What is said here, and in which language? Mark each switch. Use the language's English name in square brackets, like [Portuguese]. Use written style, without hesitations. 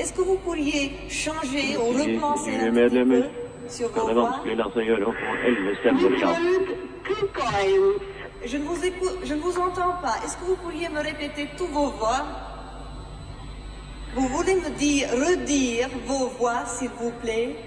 [French] Est-ce que vous pourriez changer ou repenser un petit peu? [Norwegian] Kan det vanskelig la seg gjøre å få 11 stemmer igjen? [French] Je ne vous écoute, je ne vous entends pas. Est-ce que vous pourriez me répéter tous vos voix? Vous voulez me dire, redire vos voix, s'il vous plaît?